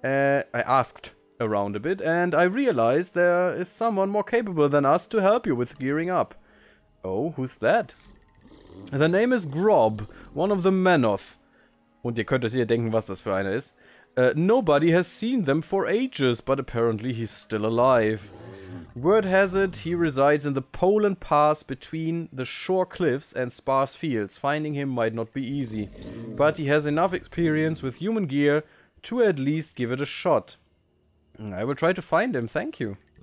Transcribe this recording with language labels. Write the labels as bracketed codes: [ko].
[en] I asked around a bit, and I realized there is someone more capable than us to help you with gearing up. Oh, who's that? The name is Grob, one of the Manoth. [de] Und ihr könnt euch hier denken, was das für einer ist. [en] Nobody has seen them for ages, but apparently he's still alive. Word has it, he resides in the Poland Pass between the Shore Cliffs and Sparse Fields. Finding him might not be easy, but he has enough experience with human gear to at least give it a shot. I will try to find him, thank you.